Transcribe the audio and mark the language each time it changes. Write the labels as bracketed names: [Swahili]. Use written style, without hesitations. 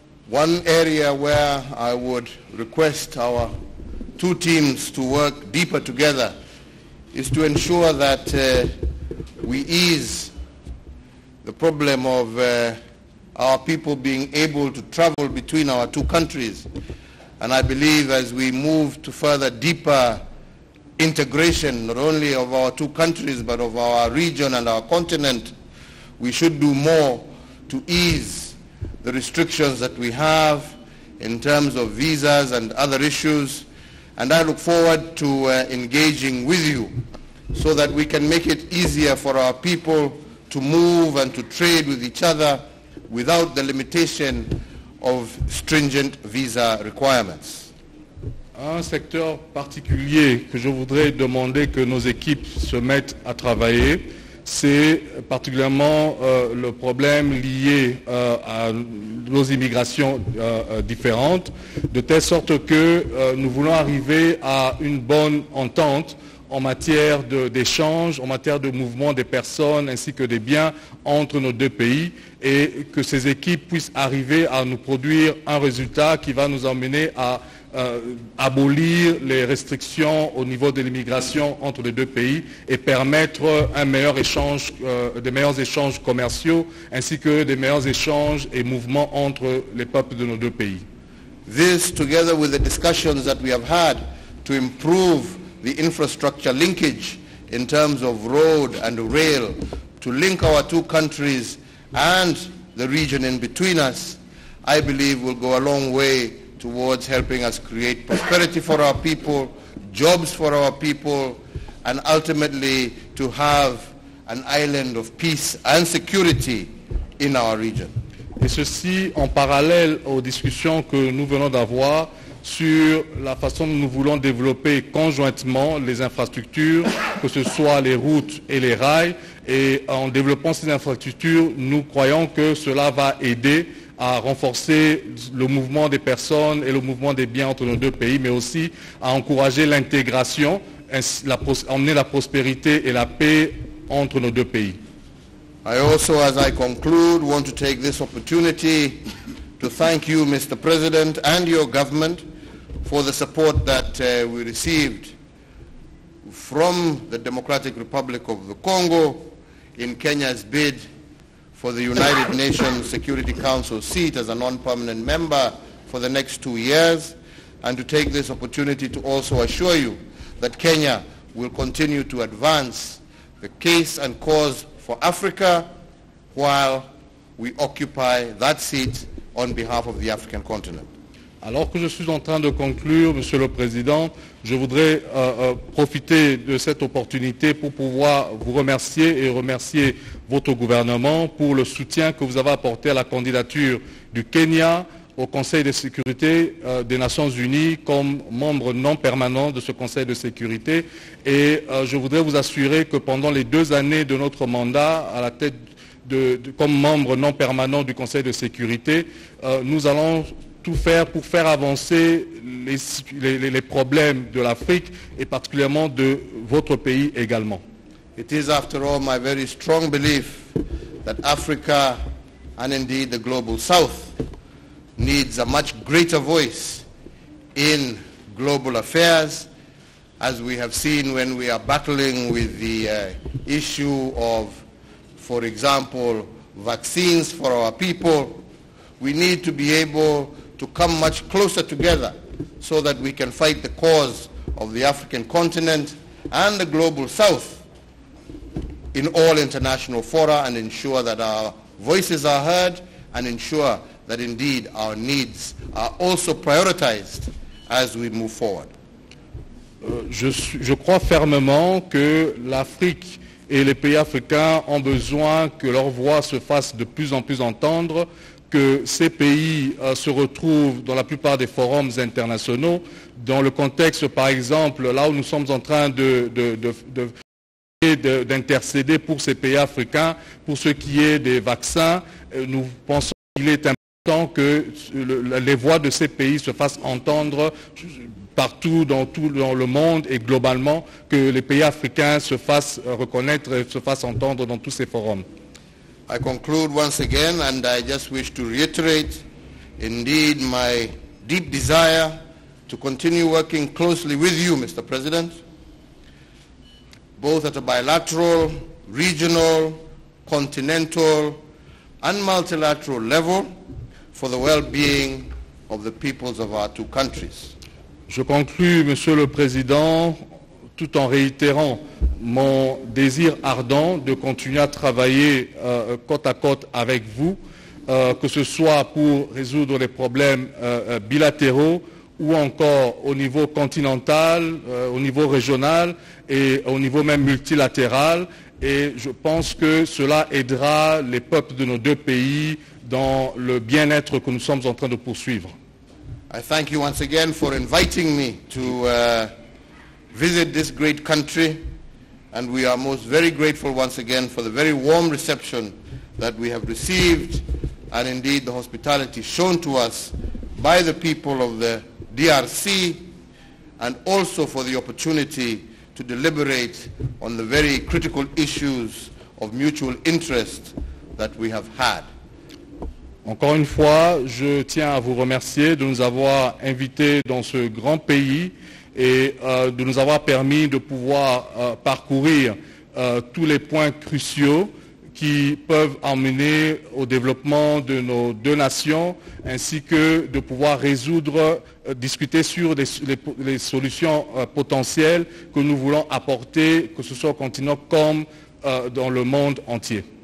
[English] One area where I would request our two teams to work deeper together is to ensure that we ease the problem of our people being able to travel between our two countries. And I believe as we move to further deeper integration, not only of our two countries, but of our region and our continent, we should do more to ease the restrictions that we have in terms of visas and other issues, and I look forward to engaging with you so that we can make it easier for our people to move and to trade with each other without the limitation of stringent visa requirements. [French] Un secteur particulier que je voudrais demander que nos équipes se mettent à travailler, c'est particulièrement le problème lié à nos immigrations différentes, de telle sorte que nous voulons arriver à une bonne entente en matière d'échange, en matière de mouvement des personnes ainsi que des biens entre nos deux pays, et que ces équipes puissent arriver à nous produire un résultat qui va nous emmener à abolir les restrictions au niveau de l'immigration entre les deux pays et permettre un meilleur échange, des meilleurs échanges commerciaux ainsi que des meilleurs échanges et mouvements entre les peuples de nos deux pays. [English] This, together with the discussions that we have had to improve the infrastructure linkage in terms of road and rail to link our two countries and the region in between us, I believe will go a long way towards helping us create prosperity for our people, jobs for our people, and ultimately to have an island of peace and security in our region. [French] Et ceci en parallèle aux discussions que nous venons d'avoir sur la façon dont nous voulons développer conjointement les infrastructures, que ce soit les routes et les rails. Et en développant ces infrastructures, nous croyons que cela va aider à renforcer le mouvement des personnes et le mouvement des biens entre nos deux pays, mais aussi à encourager l'intégration, emmener la prospérité et la paix entre nos deux pays. [English] I also, as I conclude, want to take this opportunity to thank you, Mr. President, and your government for the support that we received from the Democratic Republic of the Congo in Kenya's bid for the United Nations Security Council seat as a non-permanent member for the next 2 years, and to take this opportunity to also assure you that Kenya will continue to advance the case and cause for Africa while we occupy that seat on behalf of the African continent. [French] Alors que je suis en train de conclure, Monsieur le Président, je voudrais profiter de cette opportunité pour pouvoir vous remercier et remercier votre gouvernement pour le soutien que vous avez apporté à la candidature du Kenya au Conseil de sécurité des Nations Unies comme membre non permanent de ce Conseil de sécurité. Et je voudrais vous assurer que pendant les 2 années de notre mandat à la tête comme membre non permanent du Conseil de sécurité, nous allons tout faire pour faire avancer les problèmes de l'Afrique et particulièrement de votre pays également. [English] It is, after all, my very strong belief that Africa and indeed the global South needs a much greater voice in global affairs, as we have seen when we are battling with the issue of, for example, vaccines for our people. We need to be able to come much closer together so that we can fight the cause of the African continent and the global South in all international fora and ensure that our voices are heard and ensure that indeed our needs are also prioritized as we move forward. [French] Je crois fermement que l'Afrique et les pays africains ont besoin que leur voix se fasse de plus en plus entendre, que ces pays se retrouvent dans la plupart des forums internationaux, dans le contexte, par exemple, là où nous sommes en train d'intercéder pour ces pays africains, pour ce qui est des vaccins. Nous pensons qu'il est important que les voix de ces pays se fassent entendre partout dans le monde et globalement, que les pays africains se fassent reconnaître et se fassent entendre dans tous ces forums. [English] I conclude once again, and I just wish to reiterate indeed my deep desire to continue working closely with you, Mr. President, both at a bilateral, regional, continental and multilateral level for the well-being of the peoples of our two countries. [French] Je conclue, Monsieur le Président, tout en réitérant mon désir ardent de continuer à travailler côte à côte avec vous que ce soit pour résoudre les problèmes bilatéraux ou encore au niveau continental, au niveau régional et au niveau même multilatéral. Et je pense que cela aidera les peuples de nos deux pays dans le bien-être que nous sommes en train de poursuivre. [English] I thank you once again for inviting me to visit this great country, and we are most very grateful once again for the very warm reception that we have received, and indeed the hospitality shown to us by the people of the DRC, and also for the opportunity to deliberate on the very critical issues of mutual interest that we have had. [French] Encore une fois, je tiens à vous remercier de nous avoir invités dans ce grand pays et de nous avoir permis de pouvoir parcourir tous les points cruciaux qui peuvent amener au développement de nos deux nations, ainsi que de pouvoir résoudre, discuter sur les solutions potentielles que nous voulons apporter, que ce soit au continent comme dans le monde entier.